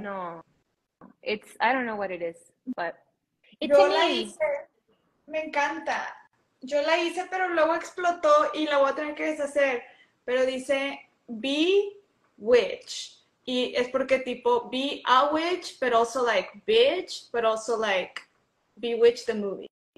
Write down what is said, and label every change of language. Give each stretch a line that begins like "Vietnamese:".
English: No, it's, I don't know what it is, but it's
Spanish: Yo
English: an
Spanish: la hice. E. Me encanta. Yo la hice, pero luego explotó y la voy a tener que deshacer. Pero dice be witch. Y es porque tipo
English: be a witch, but also like bitch, but also like be witch the movie.